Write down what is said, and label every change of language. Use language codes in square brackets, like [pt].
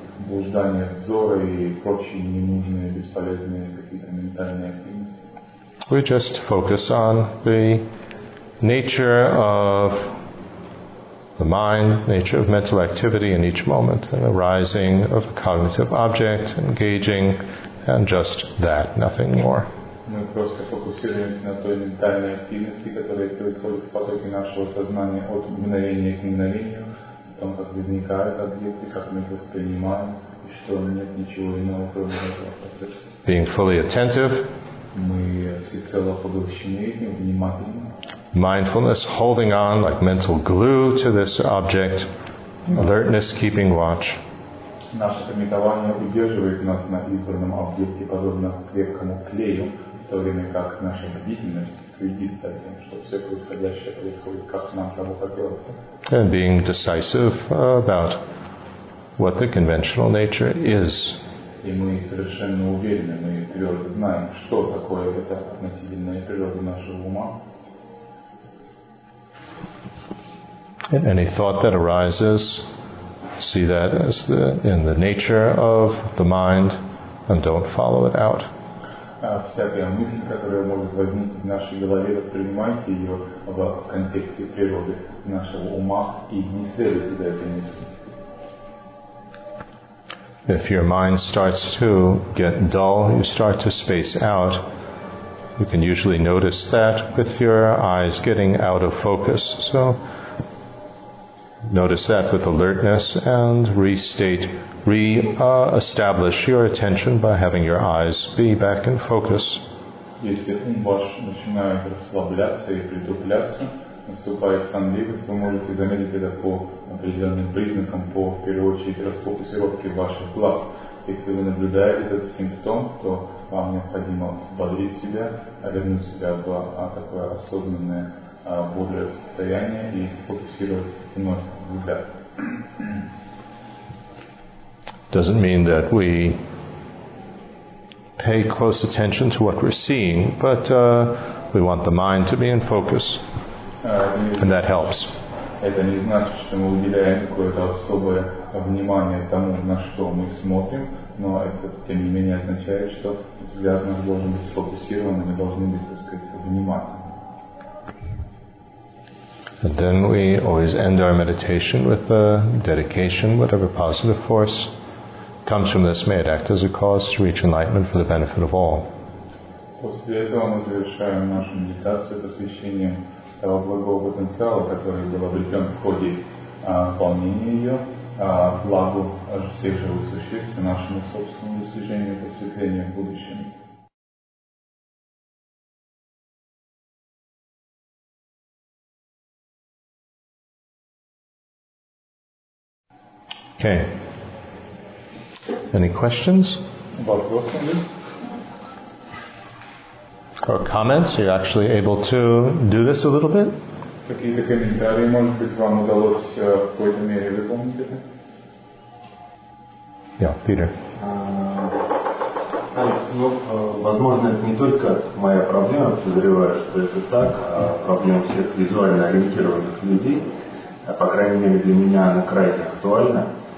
[en] We just focus on the nature of the mind, nature of mental activity in each moment, and the rising of a cognitive object, engaging, and just that, nothing more. [ru] Мы просто фокусируемся на той ментальной активности, которая происходит в потоке нашего сознания от мгновения к мгновению, о том, как возникают объекты, как мы их воспринимаем, и что нет ничего иного, кроме этого процесса. [en] Being fully attentive. [ru] Мы всецело поглощены этим, внимательны. [en] Mindfulness holding on like mental glue to this object, alertness keeping watch. [ru] Наше памятование удерживает нас на избранном объекте, подобно крепкому клею, в то время как наша бдительность следит за тем, что все происходящее происходит, как нам того хотелось. [en] And being decisive about what the conventional nature is. [ru] И мы совершенно уверены, мы твердо знаем, что такое это относительная природа нашего ума. [en] And any thought that arises, see that as the in the nature of the mind, and don't follow it out. [ru] Всякая мысль, которая может возникнуть в нашей голове, воспринимайте ее в контексте природы нашего ума и не следуйте за этой мыслью. [en] If your mind starts to get dull, you start to space out. You can usually notice that with your eyes getting out of focus. So notice that with alertness and restate, re-establish your attention by having your eyes be back in focus. [ru] Если ум ваш начинает расслабляться и притупляться, наступает сонливость, вы можете заметить это по определенным признакам, по, в первую очередь, расфокусировке ваших глаз. Если вы наблюдаете этот симптом, то вам необходимо взбодрить себя, вернуть себя в такое осознанное бодрое состояние и сфокусировать вновь взгляд. [en] doesn't mean that we pay close attention to what we're seeing, but we want the mind to be in focus, and that helps. [ru] Это не значит, что мы уделяем какое-то особое внимание тому, на что мы смотрим, но это, тем не менее, означает, что взгляд у нас должен быть сфокусирован, мы должны быть, так сказать, внимательны. [en] And then we always end our meditation with a dedication. Whatever positive force comes from this, may it act as a cause to reach enlightenment for the benefit of all. [ru] После этого мы завершаем нашу медитацию посвящением того благого потенциала, который был обретен в ходе выполнения ее, благу всех живых существ и нашему собственному достижению просветления в будущем. [en] Okay. Any questions? About what, please? Or comments? Are you actually able to do this a little bit? [ru] Какие-то комментарии, может быть, вам удалось в какой-то мере выполнить это? [en] Yeah, Peter. [ru] Алекс, ну, возможно, это не только моя проблема, подозреваю, что это так, а проблема всех визуально ориентированных людей, по крайней мере, для меня она крайне актуальна.